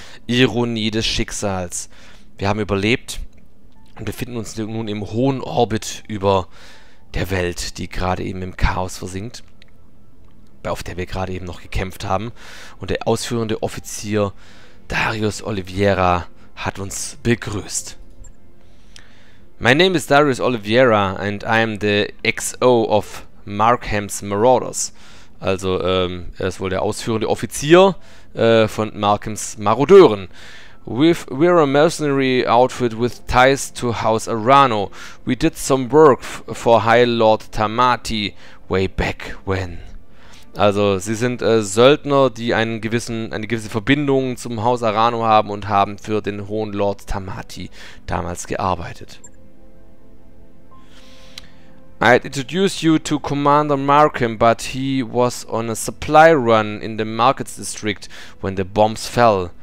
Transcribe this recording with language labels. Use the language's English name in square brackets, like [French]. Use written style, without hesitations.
[German] Ironie des Schicksals. Wir haben überlebt und befinden uns nun im hohen Orbit über der Welt, die gerade eben im Chaos versinkt, auf der wir gerade eben noch gekämpft haben. Und der ausführende Offizier Darius Oliveira hat uns begrüßt. [English] My name is Darius Oliveira and I am the XO of Markham's Marauders. [German] Also, er ist wohl der ausführende Offizier von Markham's Marodeuren. [English] We're a mercenary outfit with ties to House Arano. We did some work for High Lord Tamati way back when. [German] Also, sie sind Söldner, die eine gewisse Verbindung zum Haus Arano haben und haben für den Hohen Lord Tamati damals gearbeitet. [English] I'd introduce you to Commander Markham, but he was on a supply run in the Markets District when the bombs fell.